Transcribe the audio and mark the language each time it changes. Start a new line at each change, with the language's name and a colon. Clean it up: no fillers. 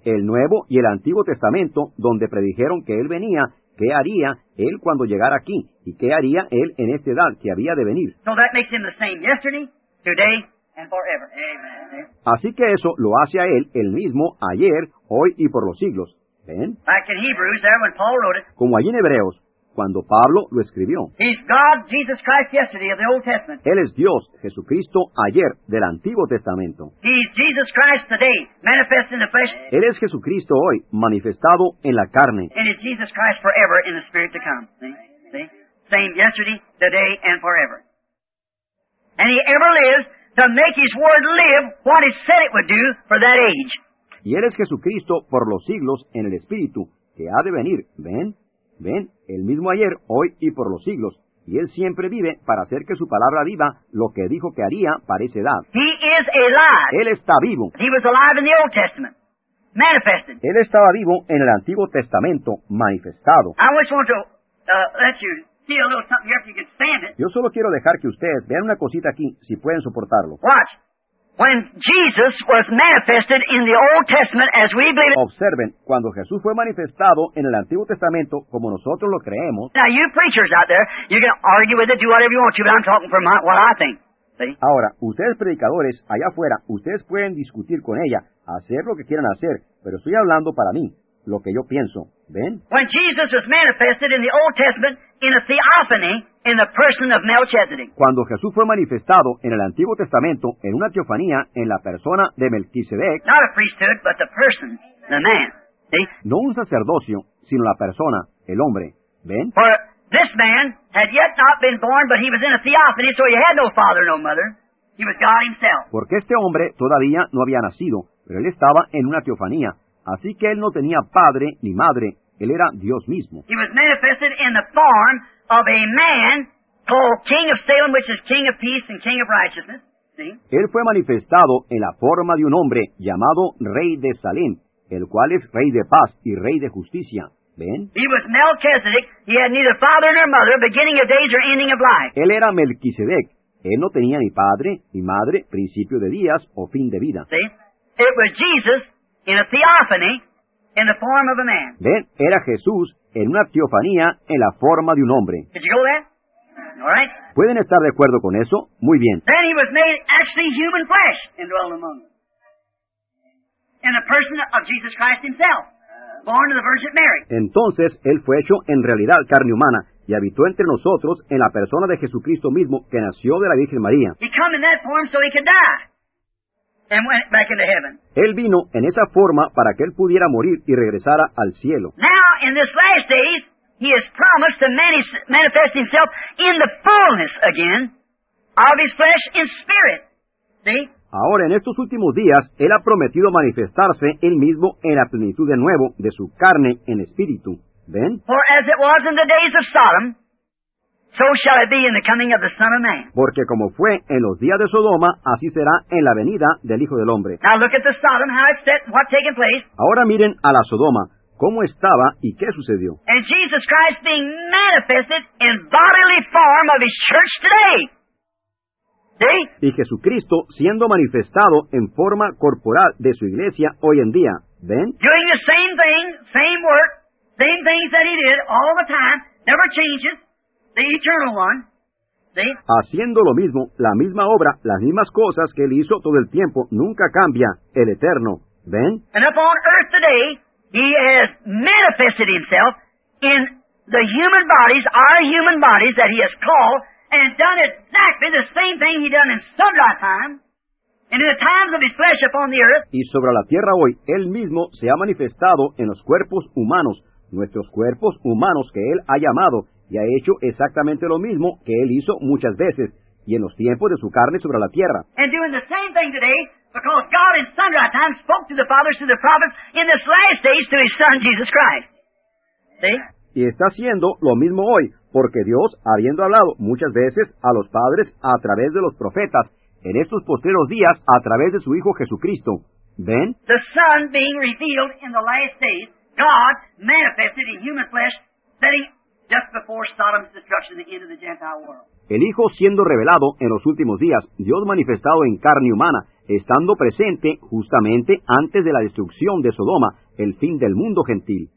Spanish: El Nuevo y el Antiguo Testamento, donde predijeron que él venía, qué haría él cuando llegara aquí, y qué haría él en esta edad que había de venir.
English: So that makes him the same yesterday, today, and forever. Amen.
Spanish: Así que eso lo hace a él el mismo ayer, hoy y por los siglos. ¿Ven?
English: Back in Hebrews, there when Paul wrote it.
Spanish: Como allí en Hebreos, cuando Pablo lo escribió.
English: He's God, Jesus Christ, yesterday of the Old Testament.
Spanish: Él es Dios, Jesucristo, ayer, del Antiguo Testamento.
English: He's Jesus Christ today, manifest in the flesh.
Spanish: Él es Jesucristo hoy, manifestado en la carne.
English: And he's Jesus Christ forever in the Spirit to come. See? Same yesterday, today, and forever. And he ever lives to make his word live what it said it would do for that age.
Spanish: Y Él es Jesucristo por los siglos en el Espíritu, que ha de venir. ¿Ven? ¿Ven? El mismo ayer, hoy y por los siglos. Y Él siempre vive para hacer que su palabra viva lo que dijo que haría para esa edad.
English: He is alive.
Spanish: Él está vivo.
English: He was alive in the Old Testament. Manifested.
Spanish: Él estaba vivo en el Antiguo Testamento, manifestado.
English: I just want to let you see a little something here if you can stand it.
Spanish: Yo solo quiero dejar que ustedes vean una cosita aquí, si pueden soportarlo.
English: Watch. When Jesus was manifested in the Old Testament as we believe.
Spanish: Observen, cuando Jesús fue manifestado en el Antiguo Testamento como nosotros lo creemos.
English: Now you preachers out there, you can argue with it, do whatever you want to, but I'm talking from what I think. See?
Spanish: Ahora, ustedes predicadores allá afuera, ustedes pueden discutir con ella, hacer lo que quieran hacer, pero estoy hablando para mí, lo que yo pienso. ¿Ven?
English: When Jesus was manifested in the Old Testament in a theophany, in the person of Melchizedek.
Spanish: Cuando Jesús fue manifestado en el Antiguo Testamento en una teofanía en la persona de Melquisedec.
English: Not a priesthood, but the person, the man. See?
Spanish: No un sacerdocio, sino la persona, el hombre. ¿Ven?
English: For this man had yet not been born, but he was in a theophany, so he had no father, no mother. He was God himself.
Spanish: Porque este hombre todavía no había nacido, pero él estaba en una teofanía. Así que él no tenía padre ni madre, él era Dios mismo.
English: He was manifested in the form of a man called King of Salem, which is King of Peace and King of Righteousness. See?
Spanish: Él fue manifestado en la forma de un hombre llamado Rey de Salem, el cual es Rey de Paz y Rey de Justicia. ¿Ven?
English: He was Melchizedek. He had neither father nor mother, beginning of days or ending of life.
Spanish: Él era Melquisedec. Él no tenía ni padre ni madre, principio de días o fin de vida.
English: See? It was Jesus in a theophany in the form of a man.
Spanish: ¿Ven? Era Jesús en una teofanía en la forma de un hombre.
English: Did you go there? All right.
Spanish: ¿Pueden estar de acuerdo con eso? Muy bien.
English: Then he was made actually human flesh and dwelt among them. In the person of Jesus Christ himself, born of the Virgin Mary.
Spanish: Entonces, él fue hecho en realidad carne humana y habitó entre nosotros en la persona de Jesucristo mismo, que nació de la Virgen María.
English: He came in that form so he could die and went back into heaven.
Spanish: Él vino en esa forma para que él pudiera morir y regresara al cielo.
English: Now, in this last days, he has promised to manifest himself in the fullness again of his flesh in spirit. See?
Spanish: Ahora, en estos últimos días, él ha prometido manifestarse él mismo en la plenitud de nuevo de su carne en espíritu. ¿Ven?
English: For as it was in the days of Sodom, so shall it be in the coming of the Son of Man.
Spanish: Porque como fue en los días de Sodoma, así será en la venida del Hijo del Hombre.
English: Now look at the Sodom, how it's set, what's taking place.
Spanish: Ahora miren a la Sodoma, cómo estaba y qué sucedió.
English: And Jesus Christ being manifested in bodily form of his church today.
Spanish: ¿Sí? Y Jesucristo siendo manifestado en forma corporal de su iglesia hoy en día. ¿Ven?
English: Doing the same thing, same work, same things that he did all the time, never changes, the eternal one.
Spanish: ¿Sí? Haciendo lo mismo, la misma obra, las mismas cosas que él hizo todo el tiempo, nunca cambia, el eterno. ¿Ven?
English: And upon earth today, he has manifested himself in the human bodies, our human bodies that he has called, and done exactly the same thing he done in some lifetime, and in the times of his flesh upon the earth.
Spanish: Y sobre la tierra hoy, él mismo se ha manifestado en los cuerpos humanos, nuestros cuerpos humanos que él ha llamado, y ha hecho exactamente lo mismo que él hizo muchas veces, y en los tiempos de su carne sobre la tierra.
English: And doing the same thing today, because God in sundry times spoke to the fathers through the prophets in this last days to his Son Jesus Christ. See?
Spanish: Y está haciendo lo mismo hoy, porque Dios, habiendo hablado muchas veces a los padres a través de los profetas, en estos posteros días a través de su Hijo Jesucristo. ¿Ven?
English: The Son being revealed in the last days, God manifested in human flesh, setting just before Sodom's destruction, the end of the Gentile world.
Spanish: El Hijo siendo revelado en los últimos días, Dios manifestado en carne humana, estando presente justamente antes de la destrucción de Sodoma, el fin del mundo gentil.